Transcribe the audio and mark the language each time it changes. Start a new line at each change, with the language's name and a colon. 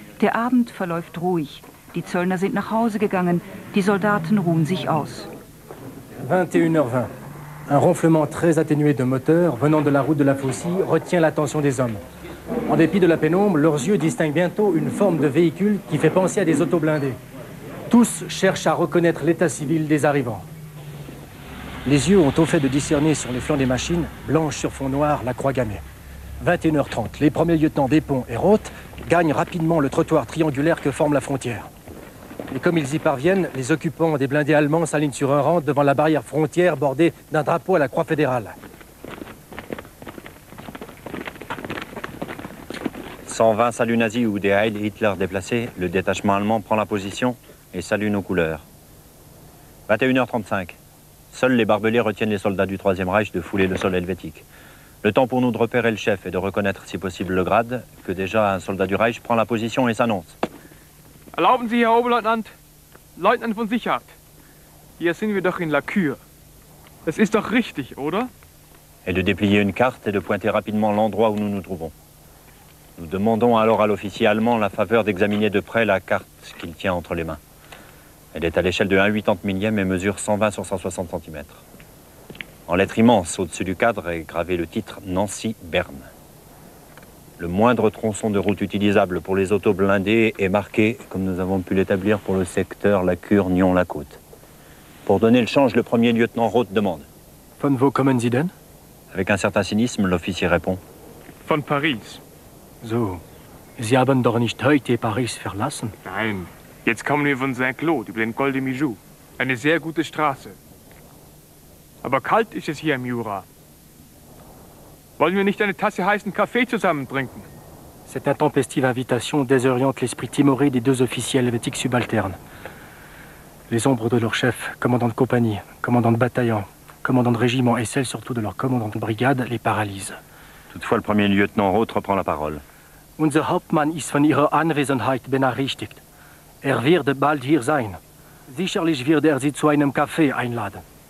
German: Der Abend verläuft ruhig. Die Zöllner sind nach Hause gegangen. Die Soldaten ruhen sich aus.
French: 21h20. Un ronflement très atténué de moteur venant de la route de la Faucille retient l'attention des hommes. En dépit de la pénombre, leurs yeux distinguent bientôt une forme de véhicule qui fait penser à des autoblindés. Tous cherchent à reconnaître l'état civil des arrivants. Les yeux ont au fait de discerner sur les flancs des machines, blanches sur fond noir, la croix gammée. 21h30, les premiers lieutenants Despont et Roth gagnent rapidement le trottoir triangulaire que forme la frontière. Et comme ils y parviennent, les occupants des blindés allemands s'alignent sur un rang devant la barrière frontière bordée d'un drapeau à la croix fédérale. 120 saluts nazis ou des Heil Hitler déplacés, le détachement allemand prend la position et salue nos couleurs. 21h35, seuls les barbelés retiennent les soldats du 3e Reich de fouler le sol helvétique. Le temps pour nous de repérer le chef et de reconnaître si possible le grade, que déjà un soldat du Reich prend la position et s'annonce.
German: Erlauben Sie, Herr Oberleutnant, Leutnant von Sicherheit. Hier sind wir doch in La Cure. Es ist doch richtig, oder?
French: Et de déplier une carte et de pointer rapidement l'endroit où nous nous trouvons. Nous demandons alors à l'officier allemand la faveur d'examiner de près la carte qu'il tient entre les mains. Elle est à l'échelle de 1/80 millième et mesure 120 sur 160 cm. En lettres immenses, au-dessus du cadre, est gravé le titre Nancy-Berne. Le moindre tronçon de route utilisable pour les autos blindés est marqué, comme nous avons pu l'établir pour le secteur La Cure, Nyon-la-Côte. Pour donner le change, le premier lieutenant Roth demande.
German: Von wo kommen Sie denn?
French: Avec un certain cynisme, l'officier répond.
German: Von Paris. So, Sie haben doch nicht heute Paris verlassen? Nein, jetzt kommen wir von Saint-Claude über den Col de Mijoux. Eine sehr gute Straße. Aber kalt ist es hier im Jura. Wollen wir nicht eine Tasse heißen Kaffee zusammen trinken?
French: Cette intempestive invitation désoriente l'esprit timoré des deux officiels helvétiques subalternes. Les ombres de leur chef, commandant de compagnie, commandant de bataillon, commandant de régiment et celles surtout de leur commandant de brigade les paralysent. Toutefois, le premier lieutenant Roth reprend la parole.
German: Unser Hauptmann ist von Ihrer Anwesenheit benachrichtigt. Wird bald hier sein. Sicherlich wird Sie zu einem Kaffee einladen.